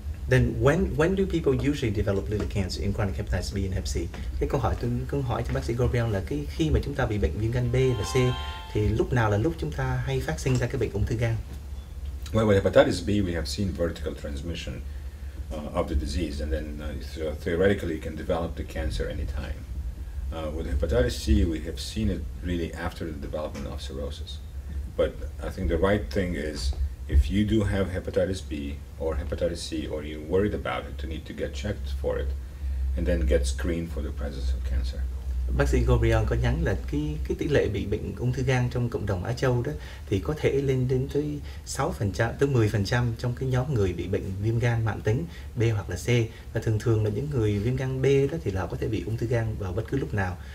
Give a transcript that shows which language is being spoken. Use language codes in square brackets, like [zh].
[en] Then when do people usually develop liver cancer in chronic hepatitis B and hep C? [vi] Cái câu hỏi tôi cũng hỏi cho bác sĩ Gabriel là cái khi mà chúng ta bị bệnh viêm gan B và C thì lúc nào là lúc chúng ta hay phát sinh ra cái bệnh ung thư gan? [en] Well, with hepatitis B, we have seen vertical transmission of the disease, and then theoretically you can develop the cancer anytime. With hepatitis C, we have seen it really after the development of cirrhosis. But I think the right thing is, if you do have hepatitis B or hepatitis C, or you're worried about it, to need to get checked for it, and then get screened for the presence of cancer. [vi] Bác sĩ Gabriel có nhắn là cái tỷ lệ bị bệnh ung thư gan trong cộng đồng Á Châu đó thì có thể lên đến tới 6% tới 10% trong cái nhóm người bị bệnh viêm gan mãn tính B hoặc là C, và thường thường là những người viêm gan B đó thì là có thể bị ung thư gan vào bất cứ lúc nào.